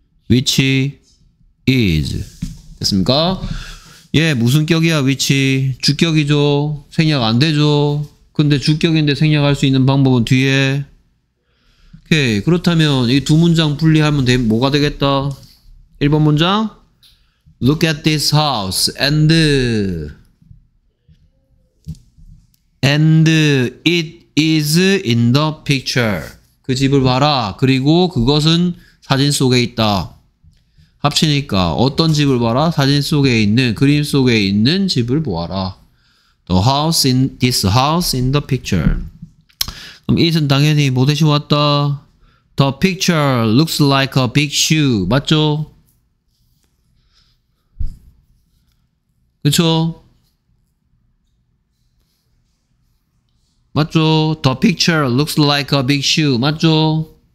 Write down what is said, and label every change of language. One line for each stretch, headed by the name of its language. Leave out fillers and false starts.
English: Which is.
Korean: 됐습니까? 얘 무슨 격이야, which? 주격이죠. 생략 안 되죠. 근데 주격인데 생략할 수 있는 방법은 뒤에. 오케이. 그렇다면 이 두 문장 분리하면 뭐가 되겠다? 1번 문장
English: Look at this house and it is in the picture.
Korean: 그 집을 봐라. 그리고 그것은 사진 속에 있다. 합치니까 어떤 집을 봐라? 사진 속에 있는, 그림 속에 있는 집을 보아라.
English: The house in this house in the picture.
Korean: 그럼 it은 당연히 뭐 대신 왔다?
English: The picture looks like a big shoe. 맞죠?
Korean: 그쵸? 맞죠?
English: The picture looks like a big shoe. 맞죠?